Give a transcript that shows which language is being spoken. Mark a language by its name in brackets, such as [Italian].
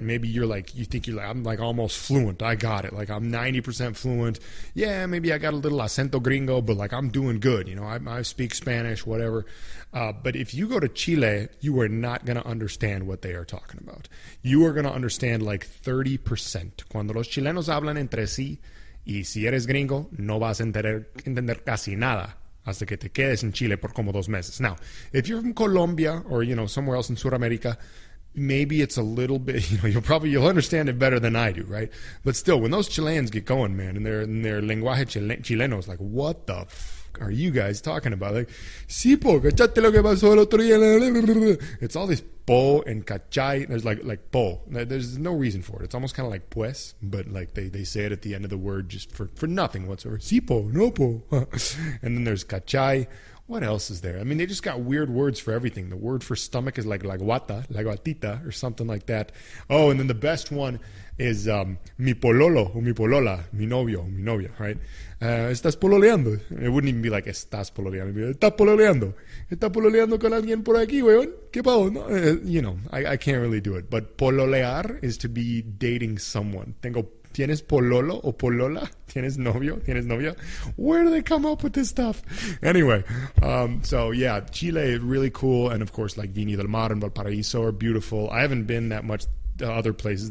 [English] Maybe you're like, you think you're like, I'm like almost fluent. I got it. Like I'm 90% fluent. Yeah, maybe I got a little acento gringo, but like I'm doing good. You know, I speak Spanish, whatever. But if you go to Chile, you are not going to understand what they are talking about. You are going to understand like 30%. [Spanish] Cuando los chilenos hablan entre sí, y si eres gringo, no vas a entender casi nada. Hasta que te quedes en Chile por como 2 meses. [English] Now, if you're from Colombia or, you know, somewhere else in Sudamérica, maybe it's a little bit, you know, you'll understand it better than I do, right? But still, when those Chileans get going, man, and their lenguaje chileno is like, what the f*** are you guys talking about? [Spanish] Like, sí, po, cachate lo que pasó el otro día. [English] It's all this po and cachai. There's like po. There's no reason for it. It's almost kind of like pues, but like they say it at the end of the word just for nothing whatsoever. Sí, po, no po. And then there's cachai. What else is there? I mean, they just got weird words for everything. The word for stomach is like la guatita or something like that. Oh, and then the best one is mi pololo o mi polola, mi novia, right? Estás pololeando. It wouldn't even be like estás pololeando. [Spanish] It'd be like, está pololeando con alguien por aquí, weón. ¿Qué pasó? [English] No, you know, I can't really do it. [Spanish] But pololear is to be dating someone. ¿Tienes pololo o polola? ¿Tienes novio? ¿Tienes novia? [English] Where do they come up with this stuff? Anyway, Chile, really cool. And of course, like Viña del Mar and Valparaíso are beautiful. I haven't been that much to other places.